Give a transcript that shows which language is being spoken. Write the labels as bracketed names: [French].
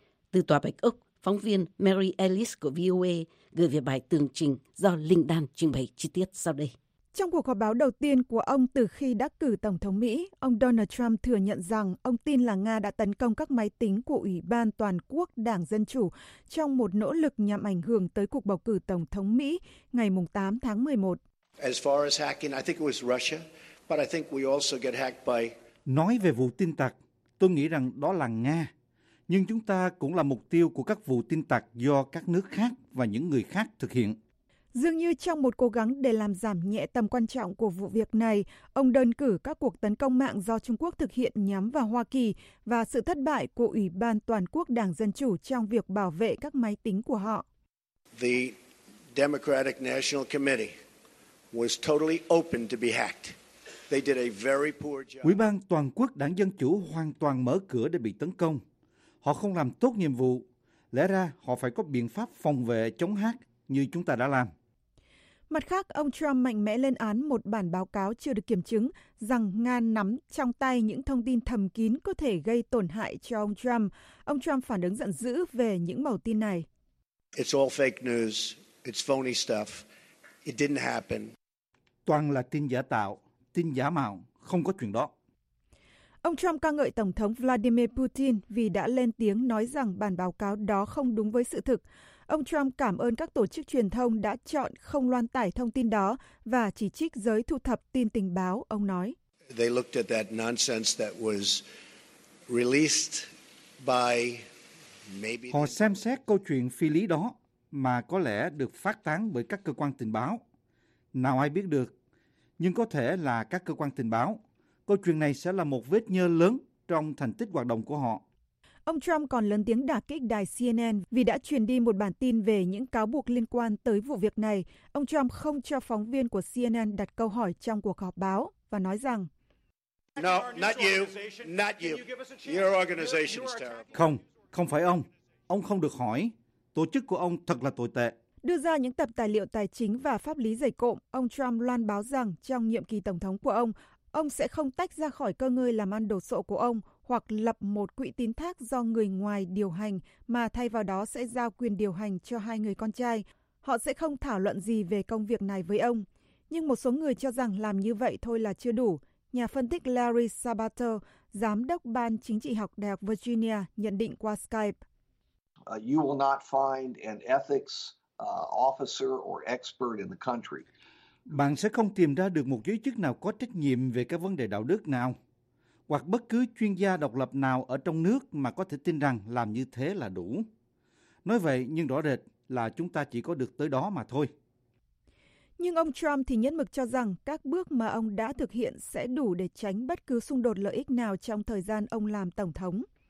[Vietnamese] Từ Tòa Bạch Ốc, phóng viên Mary Ellis của VOA gửi về bài tường trình do Linh Đan trình bày chi tiết sau đây. Trong cuộc họp báo đầu tiên của ông từ khi đắc cử Tổng thống Mỹ, ông Donald Trump thừa nhận rằng ông tin là Nga đã tấn công các máy tính của Ủy ban Toàn quốc Đảng Dân Chủ trong một nỗ lực nhằm ảnh hưởng tới cuộc bầu cử Tổng thống Mỹ ngày 8 tháng 11. [English] As far as hacking, I think it was Russia, but I think we also get hacked by... [Vietnamese] Nói về vụ tin tặc, tôi nghĩ rằng đó là Nga. Nhưng chúng ta cũng là mục tiêu của các vụ tin tặc do các nước khác và những người khác thực hiện. Dường như trong một cố gắng để làm giảm nhẹ tầm quan trọng của vụ việc này, ông đơn cử các cuộc tấn công mạng do Trung Quốc thực hiện nhắm vào Hoa Kỳ và sự thất bại của Ủy ban Toàn quốc Đảng Dân Chủ trong việc bảo vệ các máy tính của họ. [English] The Democratic National Committee was totally open to be hacked. They did a very poor job. [Vietnamese] Ủy ban Toàn quốc Đảng Dân Chủ hoàn toàn mở cửa để bị tấn công. Họ không làm tốt nhiệm vụ. Lẽ ra họ phải có biện pháp phòng vệ chống hack như chúng ta đã làm. Mặt khác, ông Trump mạnh mẽ lên án một bản báo cáo chưa được kiểm chứng rằng Nga nắm trong tay những thông tin thầm kín có thể gây tổn hại cho ông Trump. Ông Trump phản ứng giận dữ về những mẩu tin này. [English] It's all fake news. It's phony stuff. It didn't happen. [Vietnamese] Toàn là tin giả tạo, tin giả mạo, không có chuyện đó. Ông Trump ca ngợi Tổng thống Vladimir Putin vì đã lên tiếng nói rằng bản báo cáo đó không đúng với sự thực. Ông Trump cảm ơn các tổ chức truyền thông đã chọn không loan tải thông tin đó và chỉ trích giới thu thập tin tình báo, ông nói. [English] They looked at that nonsense that was released by maybe... [Vietnamese] Họ xem xét câu chuyện phi lý đó mà có lẽ được phát tán bởi các cơ quan tình báo. Nào ai biết được, nhưng có thể là các cơ quan tình báo. Câu chuyện này sẽ là một vết nhơ lớn trong thành tích hoạt động của họ. Ông Trump còn lớn tiếng đả kích đài CNN vì đã truyền đi một bản tin về những cáo buộc liên quan tới vụ việc này. Ông Trump không cho phóng viên của CNN đặt câu hỏi trong cuộc họp báo và nói rằng [English] No, not you. Not you. Your organization's terrible. [Vietnamese] Không, không phải ông. Ông không được hỏi. Tổ chức của ông thật là tồi tệ. Đưa ra những tập tài liệu tài chính và pháp lý dày cộm, ông Trump loan báo rằng trong nhiệm kỳ tổng thống của ông sẽ không tách ra khỏi cơ ngơi làm ăn đồ sộ của ông hoặc lập một quỹ tín thác do người ngoài điều hành mà thay vào đó sẽ giao quyền điều hành cho hai người con trai. Họ sẽ không thảo luận gì về công việc này với ông. Nhưng một số người cho rằng làm như vậy thôi là chưa đủ. Nhà phân tích Larry Sabato, giám đốc ban chính trị học Đại học Virginia, nhận định qua Skype. [English] You will not find an ethics officer or expert in the country. [Vietnamese] Bạn sẽ không tìm ra được một giới chức nào có trách nhiệm về các vấn đề đạo đức nào, hoặc bất cứ chuyên gia độc lập nào ở trong nước mà có thể tin rằng làm như thế là đủ. Nói vậy, nhưng rõ rệt là chúng ta chỉ có được tới đó mà thôi. Nhưng ông Trump thì nhấn mực cho rằng các bước mà ông đã thực hiện sẽ đủ để tránh bất cứ xung đột lợi ích nào trong thời gian ông làm Tổng thống.